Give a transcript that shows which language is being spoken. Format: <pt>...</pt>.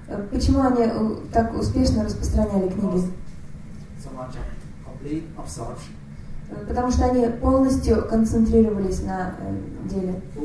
<ru>Почему они так успешно распространяли книги?</ru> <en>So much complete absorption.</en> <ru>Потому что они полностью концентрировались на деле.</ru>